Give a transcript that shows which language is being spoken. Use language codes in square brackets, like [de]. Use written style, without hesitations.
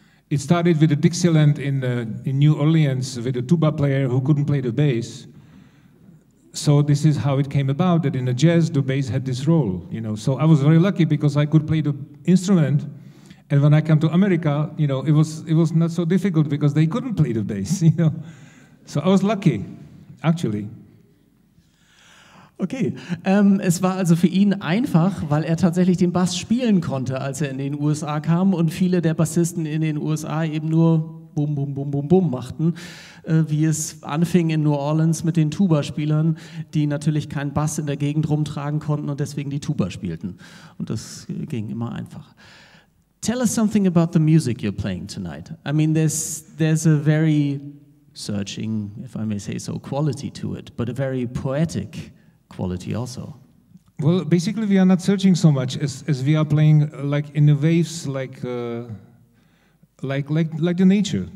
[en] It started with a Dixieland in New Orleans with a tuba player who couldn't play the bass. So this is how it came about, that in the jazz, the bass had this role, you know. So I was very lucky because I could play the instrument. And when I came to America, you know, it was not so difficult because they couldn't play the bass, you know. So I was lucky, actually. [de] Okay, es war also für ihn einfach, weil er tatsächlich den Bass spielen konnte, als er in den USA kam und viele der Bassisten in den USA eben nur bum, bum, bum, bum, bum machten, wie es anfing in New Orleans mit den Tuba-Spielern, die natürlich keinen Bass in der Gegend rumtragen konnten und deswegen die Tuba spielten. Und das ging immer einfacher. [en] Tell us something about the music you're playing tonight. I mean, there's a very searching, if I may say so, quality to it, but a very poetic quality also. Well, basically we are not searching so much as we are playing like in the waves, like the nature.